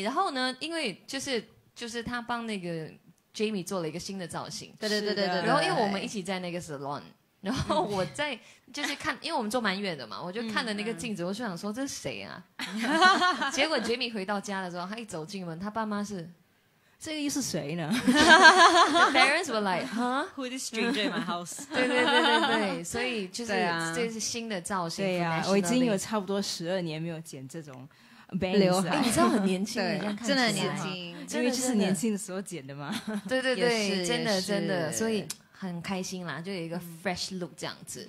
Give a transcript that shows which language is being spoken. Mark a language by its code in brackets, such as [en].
[zh] 然后呢，因为就是他帮那个 Jamie 做了一个新的造型，对，然后因为我们一起在那个 salon。然后我在就是看，因为我们坐蛮远的嘛，我就看了那个镜子，我就想说这是谁啊？结果 Jamie 回到家的时候，他一走进门，他爸妈是这个又是谁呢 [en] ？The parents were like, huh? Who is this stranger in my house? [zh] 对，所以就是这是新的造型。对呀、啊，我已经有差不多12年没有剪这种。刘海、欸，你知道很年轻，真的很年轻，因为就是年轻的时候剪的嘛。对，真的真的，所以很开心啦，就有一个 fresh look 这样子。